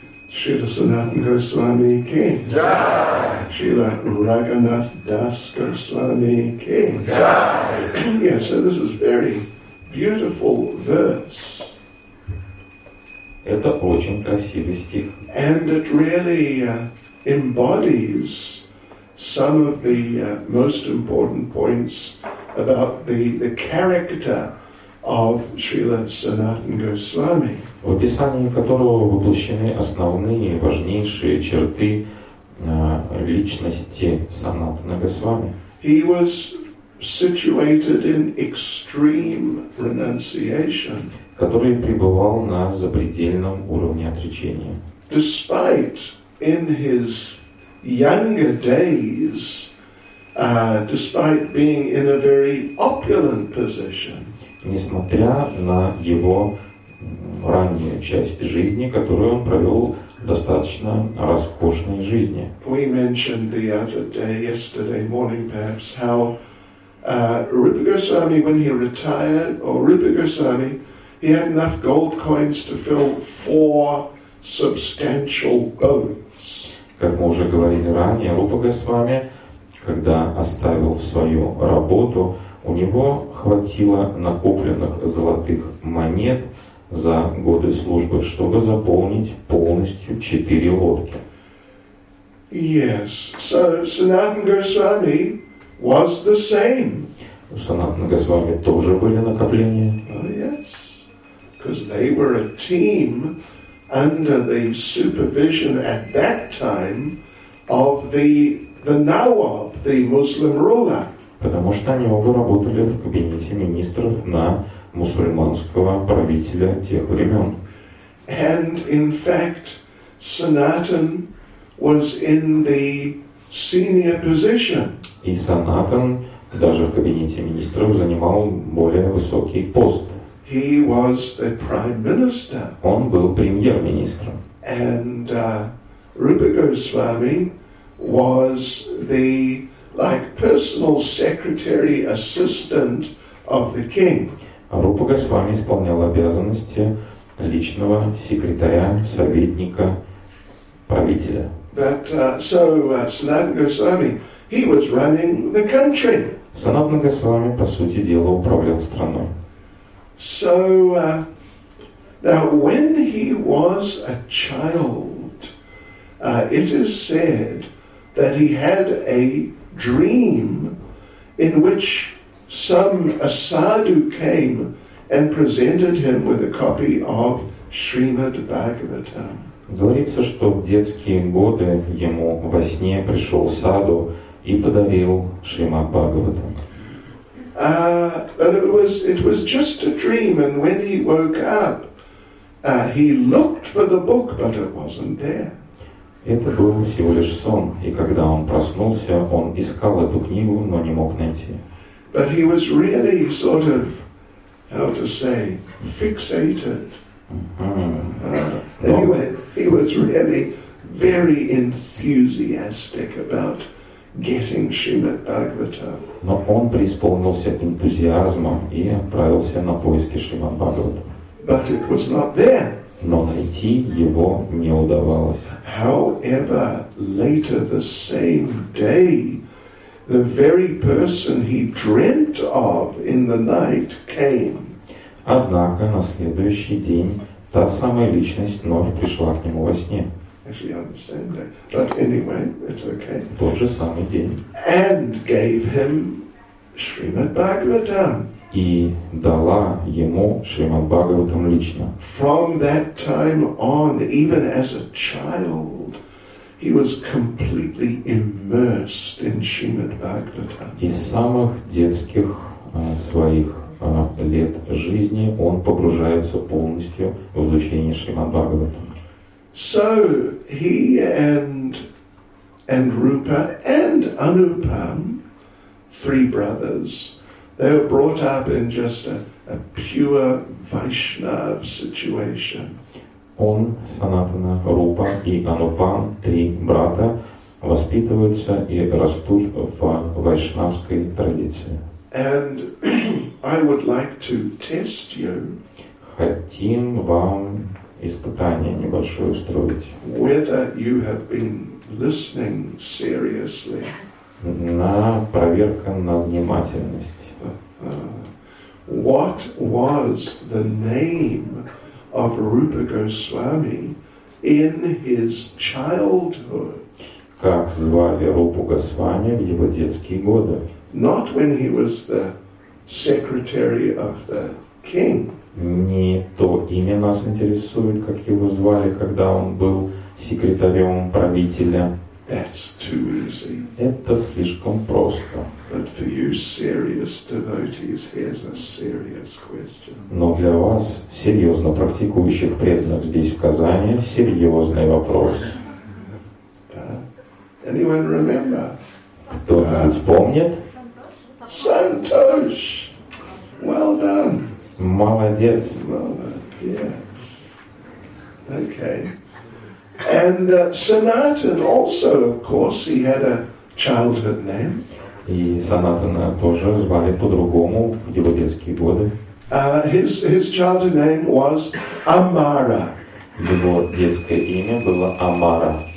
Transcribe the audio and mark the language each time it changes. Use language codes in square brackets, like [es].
[ru] Шрила Санатана Госвами ки. Джай. Шрила Рагханат Дас Госвами ки. Джай. [en] Yes, so this is very beautiful verse. [ru] Это очень красивый стих. [en] And it really embodies some of the most important points about the character of Srila Sanatan Goswami. [ru] В описании которого воплощены основные важнейшие черты личности Санатана Госвами. [en] He was situated in extreme renunciation, [ru] который пребывал на запредельном уровне отречения. [en] Despite in his younger days, despite being in a very opulent position, [ru] несмотря на его раннюю часть жизни, которую он провел в достаточно роскошной жизни. [en] We mentioned the other day, yesterday morning, perhaps, how Rupa Goswami, when he retired, or Rupa Goswami, he had enough gold coins to fill 4 substantial boats. [ru] Как мы уже говорили ранее, Рупа Госвами, когда оставил свою работу, у него хватило накопленных золотых монет за годы службы, чтобы заполнить полностью 4 лодки. [en] Yes, so Sanatan Goswami was the same. [ru] У Санатана Госвами тоже были накопления. [en] Oh, yes, because they were a team under the supervision at that time of the Nawab, the Muslim ruler. [ru] Потому что они оба работали в кабинете министров на мусульманского правителя тех времен. [en] And in fact, Sanatan was in the senior position. [ru] И Санатан даже в кабинете министров занимал более высокий пост. [en] He was the prime minister. [ru] Он был премьер-министром. [en] And Rupa Goswami was the personal secretary assistant of the king. [ru] Рупа Госвами исполнял обязанности личного секретаря, советника правителя. [en] But Sanatan Goswami, he was running the country. [ru] Санатан Госвами, по сути дела, управлял страной. [en] So now when he was a child, it is said that he had a dream in which some asadhu came and presented him with a copy of Srimad Bhagavatam. [ru] Говорится, что в детские годы ему во сне пришел саду и подарил Шримад Бхагаватам. [en] But it was just a dream, and when he woke up, he looked for the book, but it wasn't there. [ru] Это был всего лишь сон, и когда он проснулся, он искал эту книгу, но не мог найти. [en] But he was really sort of, how to say, fixated. Mm-hmm. Anyway, he was really very enthusiastic about getting Srimad Bhagavatam. [ru] Но он преисполнился энтузиазма и отправился на поиски Шримад Бхагаватам. [en] But it was not there. [ru] Но найти его не удавалось. [en] However, later the same day, the very person he dreamt of in the night came. [ru] Однако на следующий день та самая личность вновь пришла к нему во сне. [en] Actually, on the same day, but anyway, it's okay. [ru] Тот же самый день. [en] And gave him Srimad Bhagavatam. [ru] И дала ему Шримад Бхагаватам лично. [en] From that time on, even as a child, he was completely immersed in Srimad Bhagavatam. [ru] Из самых детских своих лет жизни он погружается полностью в изучение Шримад Бхагаватам. [en] So he and Rupa and Anupam, 3 brothers, they were brought up in just a pure Vaishnav situation. [ru] Он, Санатана, Рупа и Анупам, 3 брата, воспитываются и растут в вайшнавской традиции. [en] And I would like to test you. [ru] Хотим вам испытание небольшое устроить. [en] Whether you have been listening seriously. [ru] На проверка на внимательность. [en] What was the name of Rupa Goswami in his childhood? [ru] как звали Рупу Госвами в его детские годы. [en] Not when he was the secretary of the king. [ru] Не то имя нас интересует, как его звали, когда он был секретарем правителя. [en] That's too easy. [ru] Это слишком просто. [en] But for you serious devotees, here's a serious question. [ru] Но для вас, серьезно практикующих преданных здесь, в Казани, серьезный вопрос. [en] Anyone remember? [ru] Кто-нибудь помнит? [en] Santosh! Well done! [ru] Молодец! Молодец! Okay. [en] And Sanatan also, of course, he had a childhood name. [ru] И Санатана тоже звали по-другому в его детские годы. [en] His childhood name was Amara. [ru] Его детское имя было Амара.